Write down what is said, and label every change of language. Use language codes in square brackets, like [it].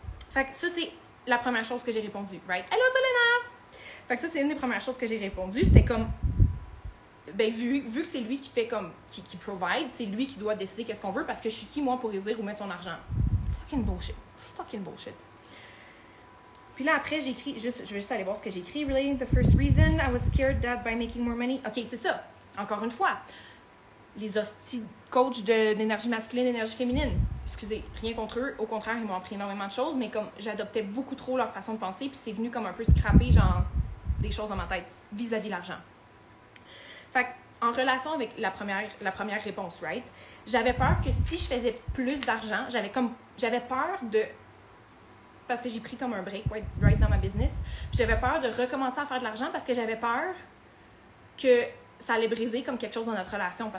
[fr] Fait que ça, c'est la première chose que j'ai répondu, right? Hello, Selena! Fait que ça, c'est une des premières choses que j'ai répondu, c'était comme... Ben, vu que c'est lui qui fait comme, qui provide, c'est lui qui doit décider qu'est-ce qu'on veut parce que je suis qui, moi, pour lui dire où mettre son argent? [en] Fucking bullshit. Fucking bullshit. [fr] Puis là, après, j'écris, je vais juste aller voir ce que j'écris. [en] Relating to the first reason, I was scared that by making more money. [fr] OK, c'est ça. Encore une fois, les hosties coachs d'énergie masculine, d'énergie féminine. Excusez, rien contre eux. Au contraire, ils m'ont appris énormément de choses, mais comme j'adoptais beaucoup trop leur façon de penser, puis c'est venu comme un peu scraper, genre, des choses dans ma tête vis-à-vis l'argent. Fait qu'en relation avec la première réponse, right, j'avais peur que si je faisais plus d'argent, j'avais peur de, parce que j'ai pris comme un break, right, dans ma business, j'avais peur de recommencer à faire de l'argent parce que j'avais peur que ça allait briser comme quelque chose dans notre relation.